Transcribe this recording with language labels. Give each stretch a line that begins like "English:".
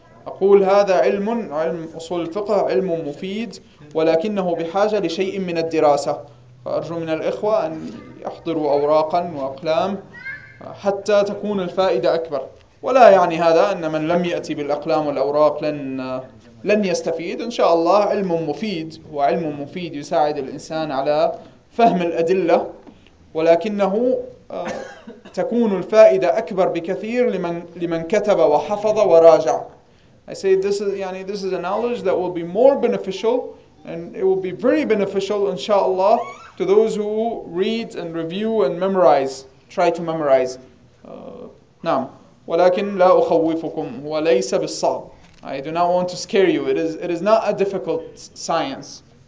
Arabic: أقول هذا علم علم أصول الفقه علم مفيد ولكنه بحاجة لشيء من الدراسة فأرجو من الإخوة أن يحضروا أوراقا وأقلام حتى تكون الفائدة أكبر ولا يعني هذا أن من لم يأتي بالأقلام والأوراق لن يستفيد إن شاء الله علم مفيد هو علم مفيد يساعد الإنسان على فهم الأدلة ولكنه تكون الفائدة أكبر بكثير لمن كتب وحفظ وراجع.
English: I say this is a knowledge that will be more beneficial and it will be very beneficial inshallah to those who read and review and memorize, try to memorize.
Arabic: نعم ولكن لا أخوفكم هو ليس بالصعب.
English: I do not want to scare you. It is not a difficult science.